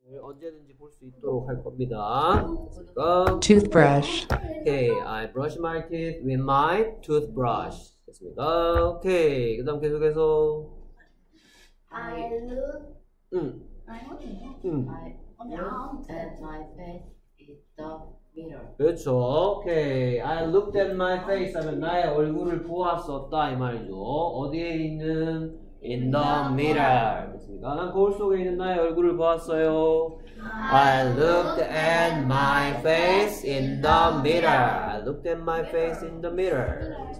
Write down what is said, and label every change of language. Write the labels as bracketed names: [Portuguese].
[Korean] 언제든지 볼수 있도록 할 겁니다. [English] Toothbrush. Okay, I brush my teeth with my toothbrush. [Korean] 됐습니다. Okay, 그 다음 계속해서. [English] I looked at my face in the mirror. [Korean] 그렇죠. [English] Okay, I looked at my face. [Korean] 하면 나의 얼굴을 보았었다 이 말이죠. 어디에 있는? [English] In the mirror. [Korean] 나는 거울 속에 있는 나의 얼굴을 보았어요. [English] I looked at my face in the mirror. I looked at my face in the mirror.